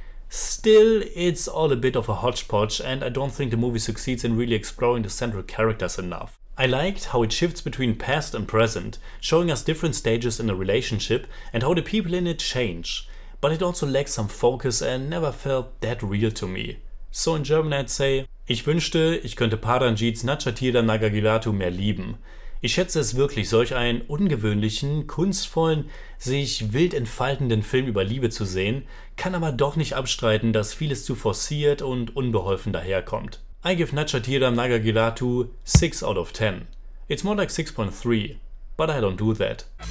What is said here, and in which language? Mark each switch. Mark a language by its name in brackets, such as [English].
[English] Still, it's all a bit of a hodgepodge and I don't think the movie succeeds in really exploring the central characters enough. I liked how it shifts between past and present, showing us different stages in a relationship and how the people in it change. But it also lacks some focus and never felt that real to me. So in German I'd say, [German] ich wünschte, ich könnte Ranjiths NATCHATHIRAM NAGARGIRATHU mehr lieben. Ich schätze es wirklich, solch einen ungewöhnlichen, kunstvollen, sich wild entfaltenden Film über Liebe zu sehen, kann aber doch nicht abstreiten, dass vieles zu forciert und unbeholfen daherkommt. [English] I give NATCHATHIRAM NAGARGIRATHU 6 out of 10. It's more like 6.3, but I don't do that.